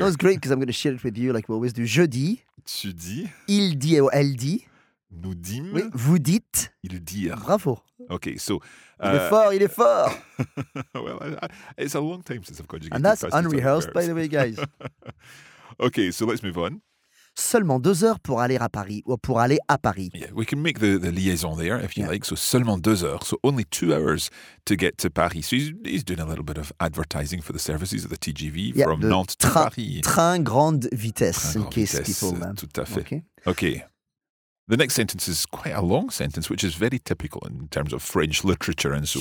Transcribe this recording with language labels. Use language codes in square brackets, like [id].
[en] That was great because I'm going to share it with you like we always do. [fr] Je dis. Tu dis. Il dit ou elle dit. Nous dîmes. Oui, vous dites. Il dire. Bravo. [en] Okay, so... [fr] Il est fort. [en] Well, it's a long time since I've conjugated and that's unrehearsed, by the way, guys. Okay, so let's move on. [fr] Seulement 2 heures pour aller à Paris, ou pour aller à Paris. [en] Yeah, we can make the liaison there, if you like. So, [fr] seulement 2 heures. [en] So, only 2 hours to get to Paris. So, he's doing a little bit of advertising for the services of the TGV from Nantes to Paris. [fr] Train grande vitesse, train grande vitesse, [en] in case people... [fr] Tout à fait. Okay. [en] The next sentence is quite a long sentence, which is very typical in terms of French literature and so